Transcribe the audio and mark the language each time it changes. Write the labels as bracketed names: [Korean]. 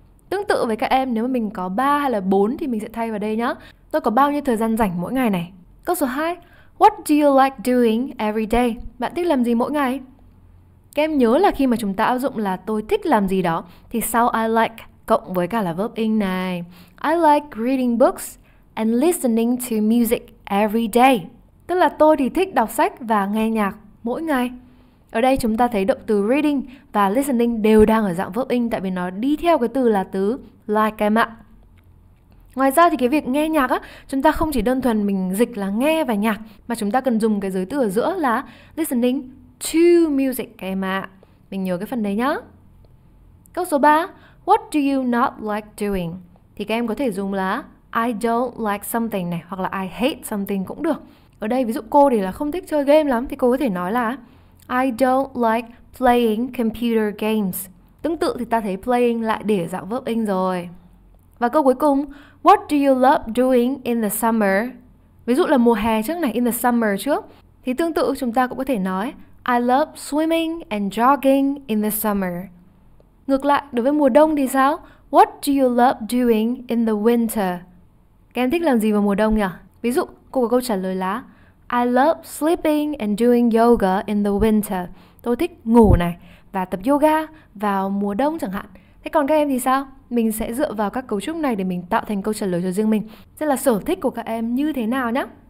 [Vietnamese] Tương tự với các em, nếu mà mình có 3 hay là 4 thì mình sẽ thay vào đây nhé. Tôi có bao nhiêu thời gian rảnh mỗi ngày này? Câu số 2, [English] What do you like doing every day? [Vietnamese] Bạn thích làm gì mỗi ngày? Các em nhớ là khi mà chúng ta áp dụng là tôi thích làm gì đó thì sau [English] I like [Vietnamese] cộng với cả là verb ing này. [English] I like reading books and listening to music every day. [Vietnamese] Tức là tôi thì thích đọc sách và nghe nhạc mỗi ngày. Ở đây chúng ta thấy động từ reading và listening đều đang ở dạng verb ing tại vì nó đi theo cái từ là từ like em ạ. Ngoài ra thì cái việc nghe nhạc á, chúng ta không chỉ đơn thuần mình dịch là nghe và nhạc mà chúng ta cần dùng cái giới từ ở giữa là [English] listening to music [Vietnamese] em ạ. Mình nhớ cái phần đấy nhá. Câu số 3, [English] What do you not like doing? [Vietnamese] Thì các em có thể dùng là [English] I don't like something [Vietnamese] này hoặc là [English] I hate something [Vietnamese] cũng được. Ở đây ví dụ cô thì là không thích chơi game lắm thì cô có thể nói là [English] I don't like playing computer games. [Vietnamese] Tương tự thì ta thấy playing lại để dạng verb ing rồi. Và câu cuối cùng, [English] What do you love doing in the summer? [Vietnamese] Ví dụ là mùa hè trước này, [English] in the summer [Vietnamese] trước. Thì tương tự chúng ta cũng có thể nói [English] I love swimming and jogging in the summer. [Vietnamese] Ngược lại, đối với mùa đông thì sao? [English] What do you love doing in the winter? [Vietnamese] Các em thích làm gì vào mùa đông nhỉ? Ví dụ, cô có câu trả lời là [English] I love sleeping and doing yoga in the winter. [Vietnamese] Tôi thích ngủ này và tập yoga vào mùa đông chẳng hạn. Thế còn các em thì sao? Mình sẽ dựa vào các cấu trúc này để mình tạo thành câu trả lời cho riêng mình. Sẽ là sở thích của các em như thế nào nhé?